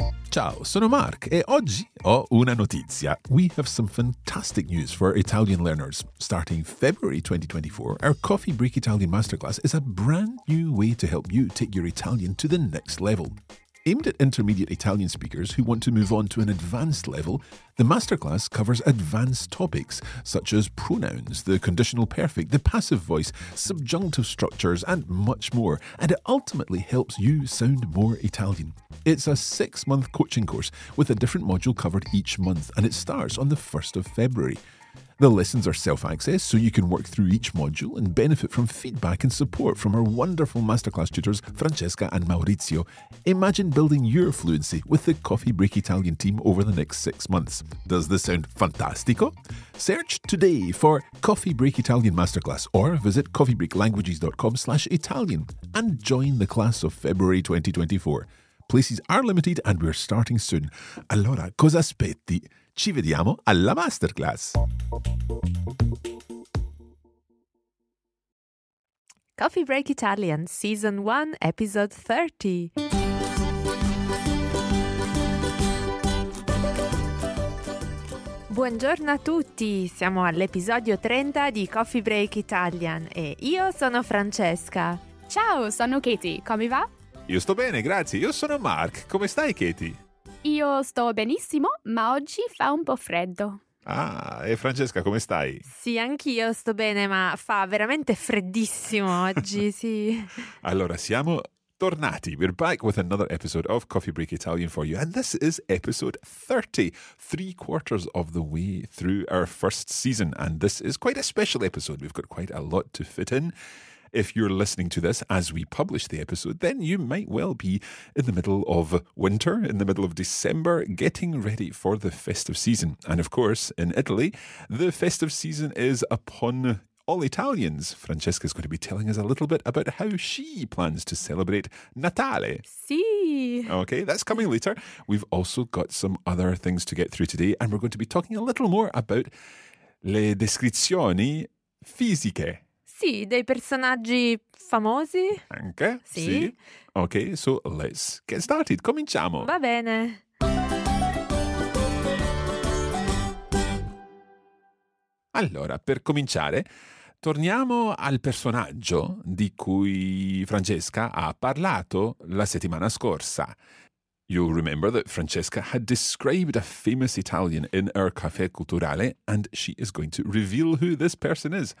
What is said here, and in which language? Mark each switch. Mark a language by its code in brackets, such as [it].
[it] Ciao, sono Mark e oggi ho una notizia. [en] We have some fantastic news for Italian learners. Starting February 2024, our Coffee Break Italian Masterclass is a brand new way to help you take your Italian to the next level. Aimed at intermediate Italian speakers who want to move on to an advanced level, the masterclass covers advanced topics such as pronouns, the conditional perfect, the passive voice, subjunctive structures, and much more, and it ultimately helps you sound more Italian. It's a six-month coaching course with a different module covered each month, and it starts on the 1st of February. The lessons are self-access, so you can work through each module and benefit from feedback and support from our wonderful masterclass tutors, Francesca and Maurizio. Imagine building your fluency with the Coffee Break Italian team over the next 6 months. Does this sound fantastico? Search today for Coffee Break Italian Masterclass or visit coffeebreaklanguages.com/Italian and join the class of February 2024. Places are limited and we're starting soon. [it] Allora, cosa aspetti? Ci vediamo alla masterclass. [en] Coffee Break Italian, Season 1, Episode 30. [it] Buongiorno a tutti, siamo all'episodio 30 di Coffee Break Italian e io sono Francesca. Ciao, sono Katie, come va? Io sto bene, grazie. Io sono Mark, come stai Katie? Io sto benissimo, ma oggi fa un po' freddo. Ah, e Francesca, come stai? Sì, anch'io sto bene, ma fa veramente freddissimo oggi, sì. Allora, siamo tornati. [en] We're back with another episode of Coffee Break Italian for you. And this is episode 30, three quarters of the way through our first season. And this is quite a special episode. We've got quite a lot to fit in. If you're listening to this as we publish the episode, then you might well be in the middle of winter, in the middle of December, getting ready for the festive season. And of course, in Italy, the festive season is upon all Italians. Francesca is going to be telling us a little bit about how she plans to celebrate Natale. [it] Sì. [en] Okay, that's coming later. We've also got some other things to get through today, and we're going to be talking a little more about [it] le descrizioni fisiche. Sì, dei personaggi famosi. Anche? Sì. Sì. [en] Ok, so let's get started. [it] Cominciamo. Va bene. Allora, per cominciare, torniamo al personaggio di cui Francesca ha parlato la settimana scorsa. [en] You'll remember that Francesca had described a famous Italian in our Caffè Culturale and she is going to reveal who this person is.